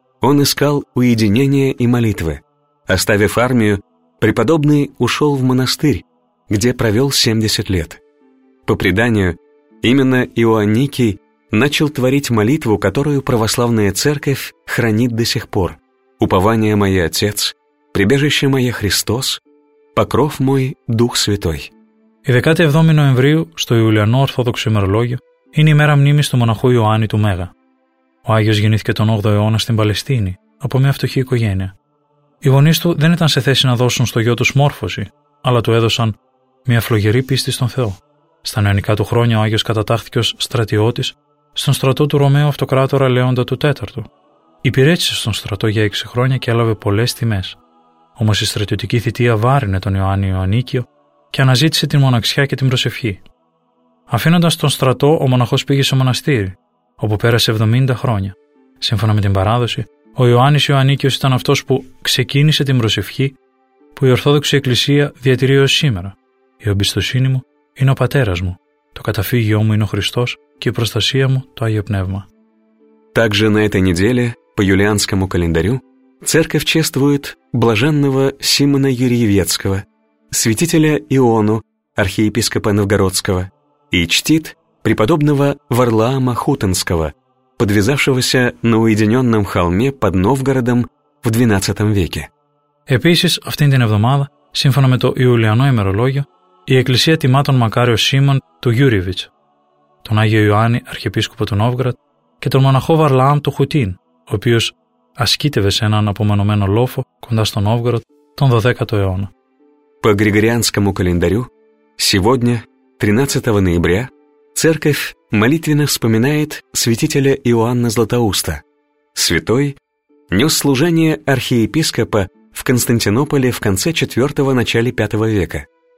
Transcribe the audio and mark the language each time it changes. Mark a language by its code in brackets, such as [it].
[ru] Он искал уединения и молитвы. Оставив армию, преподобный ушел в монастырь, где провел 70 лет. По преданию, именно Иоанникий начал творить молитву, которую православная церковь хранит до сих пор. «Упование мое, Отец, прибежище мое, Христос, покров мой, Дух Святой». И 17 ноября, что Иулиано [el] Ορθόδοξο ημερολόγιο, είναι η μέρα μνήμης του μοναχού Ιωάννη του Μέγα. Ο Άγιος γεννήθηκε τον 8ο αιώνα στην Παλαιστίνη, από μια φτωχή οικογένεια. Οι γονείς του δεν ήταν σε θέση να δώσουν στο γιο τους μόρφωση, αλλά του έδωσαν μια φλογερή πίστη στον Θεό. Στα νεανικά του χρόνια ο Άγιος κατατάχθηκε ως στρατιώτης στον στρατό του Ρωμαίου Αυτοκράτορα Λέοντα του IV. Υπηρέτησε στον στρατό για 6 χρόνια και έλαβε πολλές τιμές. Όμως η στρατιωτική θητεία βάρινε τον Ιωάννη Ιωαννίκιο και αναζήτησε την μοναξιά και την προσευχή. Αφήνοντας τον στρατό, ο μοναχός πήγε στο μοναστήρι, όπου πέρασε 70 χρόνια. Σύμφωνα με την παράδοση, ο Ιωάννης Ιωαννίκιος ήταν αυτός που ξεκίνησε την προσευχή που η Ορθόδοξη Εκκλησία διατηρεί ως σήμερα. Η εμπιστοσύνη μου είναι ο πατέρας μου, το καταφύγιο μου είναι ο Χριστός και η προστασία μου το Άγιο Πνεύμα. [ru] Также на этой неделе по юлианскому календарю церковь чествует блаженного Симона Юрьевецкого, святителя Иону, архиепископа Новгородского. И чтит преподобного Варлаама Хутонского, подвязавшегося на уединенном холме под Новгородом в 12 веке. [el] Επίσης, αυτήν την εβδομάδα, σύμφωνα με το Ιουλιανό ημερολόγιο, η Εκκλησία τιμά τον Μακάριο Σίμων του Γιούριβιτς, τον Άγιο Ιωάννη, αρχιεπίσκοπο του Νόβγραντ, και τον μοναχό Βαρλάαμ του Χουτίν, ο οποίος ασκήτευε σε έναν απομονωμένο λόφο κοντά στον Νόβγραντ τον 12ο αιώνα. [ru] По Григорианскому календарю, сегодня, 13 ноября, церковь молитвенно вспоминает святителя Иоанна Златоуста. Святой нес служение архиепископа в Константинополе в конце 4-го – начале 5 века.